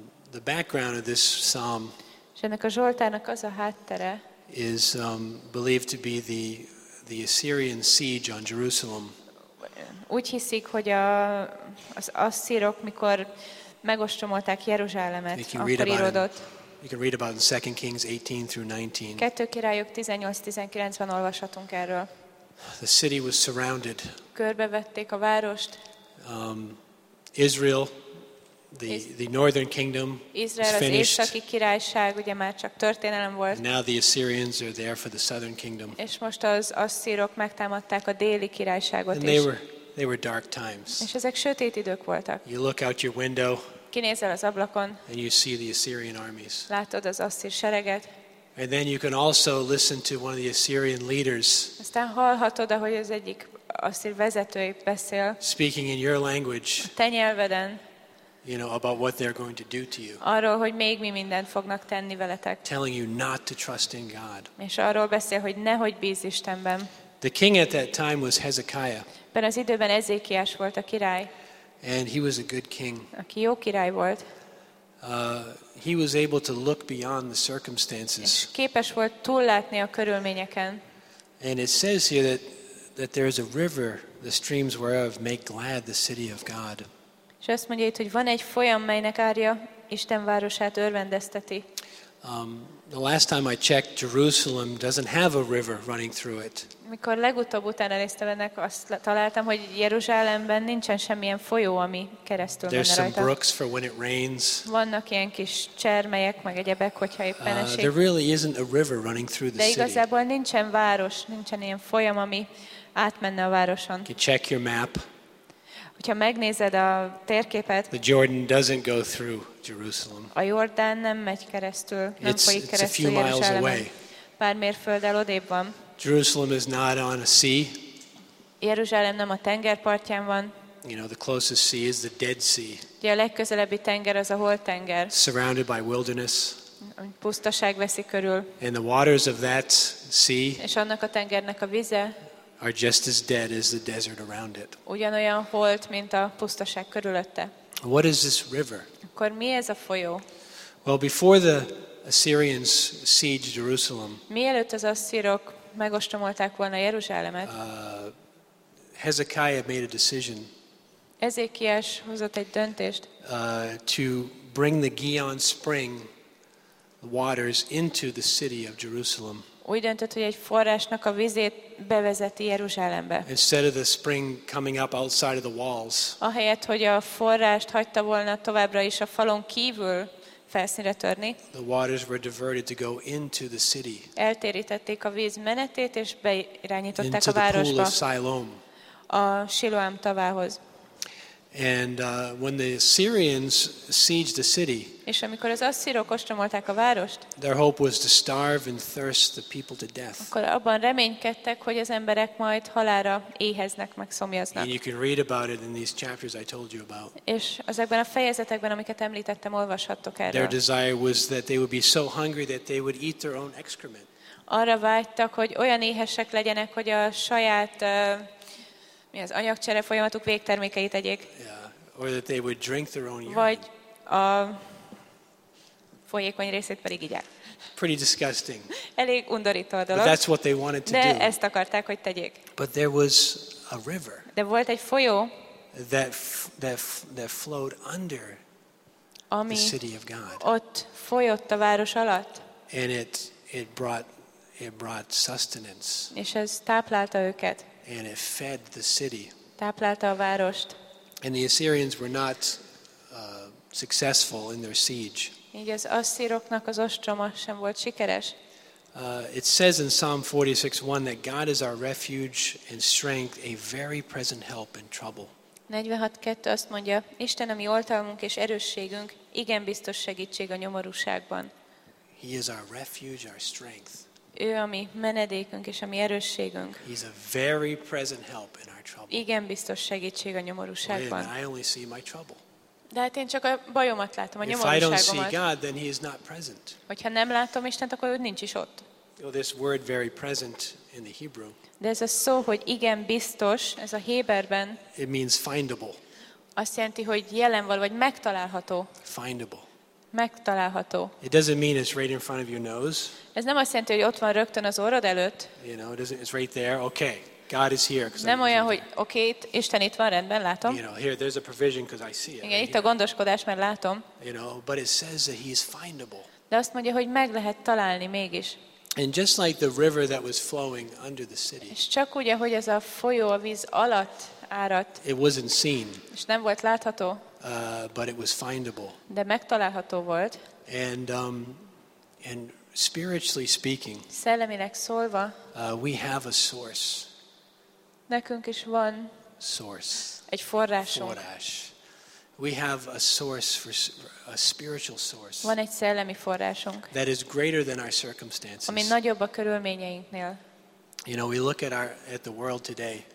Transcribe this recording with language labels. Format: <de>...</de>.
<en>The background of this psalm.</en> <hu>És ennek a zsoltárnak az a háttere.</hu> <en>Is believed to be the Assyrian siege on Jerusalem.</en> <hu>Úgy hiszik, hogy az asszírok, mikor megostromolták Jeruzsálemet, akkor íródott.</hu> <en>You can read about it in 2 Kings 18 through 19.</en> <hu>Kettő királyok 18-19-ben olvashatunk erről.</hu> <en>The city was surrounded.</en> <hu>Körbevették a várost.</hu> <en>Israel, the northern kingdom,</en> <hu>Izrael,</hu> <en>is finished.</en> <hu>Az északi királyság ugye már csak történelem volt.</hu> <en>Now the Assyrians are there for the southern kingdom.</en> <hu>És most az asszírok megtámadták a déli királyságot.</hu> <en>And they were dark times.</en> <hu>És ezek sötét idők voltak.</hu> <en>You look out your window.</en> <hu>Kinézel az ablakon.</hu> <en>And you see the Assyrian armies.</en> <hu>Látod az asszír sereget.</hu> <en>And then you can also listen to one of the Assyrian leaders.</en> <hu>Aztán hallhatod, ahogy az egyik asszír vezetője beszél.</hu> <en>Speaking in your language.</en> <hu>Te nyelveden.</hu> <en>You know about what they're going to do to you.</en> <hu>Arról, hogy még mi mindent fognak tenni veletek.</hu> <en>Telling you not to trust in God.</en> <hu>És arról beszél, hogy nehogy bízz Istenben.</hu> <en>The king at that time was Hezekiah.</en> <hu>Ben az időben Ezékiás volt a király.</hu> <en>And he was a good king.</en> <hu>Aki jó király volt.</hu> <en>He was able to look beyond the circumstances.</en> <hu>És képes volt túllátni a körülményeken.</hu> <en>And it says here that that there is a river the streams whereof make glad the city of God.</en> <hu>És azt mondja itt, hogy van egy folyam, melynek árja Isten városát örvendezteti.</hu> <en>The last time I checked, Jerusalem doesn't have a river running through it.</en> <hu>Mikor legutóbb utána néztem ennek, azt találtam, hogy Jeruzsálemben nincsen semmilyen folyó, ami keresztül menne rajta.</hu> <en>There's some brooks for when it rains.</en> <hu>Vannak ilyen kis csermelyek, meg egyebek, hogyha éppen esik.</hu> <en>There really isn't a river running through the city.</en> <hu>De igazából nincsen város, nincsen ilyen folyam, ami átmenne a városon.</hu> <en>You check your map.</en> <hu>Hogyha megnézed a térképet,</hu> <en>the Jordan doesn't go through Jerusalem.</en> <hu>A Jordán nem megy keresztül, nem folyik keresztül Jeruzsálemen. Pár mérfölddel odébb van.</hu> <en>Jerusalem is not on a sea.</en> <hu>Jeruzsálem nem a tengerpartján van.</hu> <en>You know, the closest sea is the Dead Sea.</en> <hu>De a legközelebbi tenger az a Holttenger.</hu> <en>Surrounded by wilderness.</en> <hu>Pusztaság veszi körül.</hu> <en>And the waters of that sea.</en> <hu>És annak a tengernek a vize.</hu> <en>Are just as dead as the desert around it.</en> <hu>Ugyanolyan holt, mint a pusztaság körülötte.</hu> <en>What is this river?</en> <hu>Akkor mi ez a folyó?</hu> <en>Well, before the Assyrians sieged Jerusalem.</en> <hu>Mielőtt az asszírok megostromolták volna Jeruzsálemet.</hu> <en>Hezekiah made a decision.</en> <hu>Ezékiás hozott egy döntést.</hu> <en>To bring the Gihon spring waters into the city of Jerusalem.</en> <hu>Úgy döntött, hogy egy forrásnak a vizét bevezeti Jeruzsálembe.</hu> <en>Instead of the spring coming up outside of the walls.</en> <hu>Ahelyett, hogy a forrást hagyta volna továbbra is a falon kívül felszínre törni.</hu> <en>The waters were diverted to go into the city.</en> <hu>Eltérítették a víz menetét és beirányították a városba. A Siloam tavához.</hu> <en>And when the Assyrians sieged the city,</en> <hu>és amikor az asszírok ostromolták a várost,</hu> <en>their hope was to starve and thirst the people to death.</en> <hu>Akkor abban reménykedtek, hogy az emberek majd halálra éheznek, meg szomjaznak.</hu> <en>And you can read about it in these chapters I told you about.</en> <hu>És ezekben a fejezetekben, amiket említettem, olvashattok erről.</hu> <en>Their desire was that they would be so hungry that they would eat their own excrement.</en> <hu>Arra vágytak, hogy olyan éhesek legyenek, hogy a saját mi az anyagcsere folyamatuk végtermékeit egyék.</hu> <en>Yeah. Or that they would drink their own urine.</en> <hu>Vagy a folyékony részét pedig igyek.</hu> <en>Pretty disgusting.</en> <hu>Elég undorító a dolog.</hu> <en>But that's what they wanted to</en> <hu>de</hu> <en>do.</en> <hu>De ezt akarták, hogy tegyék.</hu> <en>But there was a river.</en> <hu>De volt egy folyó.</hu> <en>That flowed under the city of God.</en> <hu>Ott folyott a város alatt.</hu> <en>And it brought sustenance.</en> <hu>És ez táplálta őket.</hu> <en>And it fed the city.</en> <hu>Táplálta a várost.</hu> <en>And the Assyrians were not successful in their siege.</en> <hu>Így az asszíroknak az ostroma sem volt sikeres.</hu> <en>It says in Psalm 46:1 that God is our refuge and strength, a very present help in trouble.</en> <hu>46:2 azt mondja, Isten a mi oltalmunk és erősségünk, igen biztos segítség a nyomorúságban.</hu> <en>He is our refuge, our strength.</en> <hu>Ő a mi menedékünk és a mi erősségünk.</hu> <en>He's a very present help in our trouble.</en> <hu>Igen biztos segítség a nyomorúságban.</hu> <en>I only see my trouble.</en> <hu>De hát én csak a bajomat látom, a nyomorúságomat.</hu> <en>If I don't see God, then he is not present.</en> <hu>Hogyha nem látom Istent, akkor ő nincs is ott.</hu> <en>Well, this word very present in the Hebrew.</en> <hu>De ez a szó, hogy igen biztos, ez a héberben.</hu> <en>It means findable.</en> <hu>Azt jelenti, hogy jelen van, vagy megtalálható.</hu> <en>Findable.</en> <hu>Megtalálható.</hu> <en>It doesn't mean it's right in front of your nose.</en> <hu>Ez nem azt jelenti, hogy ott van rögtön az orrod előtt.</hu> <en>You know, it's right there. Okay. God is here.</en> <hu>Nem olyan, hogy oké, Isten itt van, rendben, látom.</hu> <en>You know, here there's a provision because I see it.</en> <hu>Igen, itt a gondoskodás, mert látom.</hu> <en>You know, but it says that he is findable.</en> <hu>De azt mondja, hogy meg lehet találni mégis.</hu> <en>And just like the river that was flowing under the city.</en> <hu>És csak úgy, ahogy ez a folyó a víz alatt áradt.</hu> <en>It wasn't seen.</en> <hu>És nem volt látható.</hu> <en>But it was findable.</en> <hu>De megtalálható volt.</hu> <en>And spiritually speaking.</en> <hu>Szellemileg szólva.</hu> <en>We have a source.</en> <hu>Nekünk is van</hu> <en>source.</en> <hu>Egy forrásunk. Forrás.</hu> <en>We have a source for a spiritual source.</en> <hu>Van egy szellemi forrásunk.</hu> <en>That is greater than our circumstances.</en> <hu>Ami nagyobb a körülményeinknél.</hu> <en>You know, we look at the world today.</en>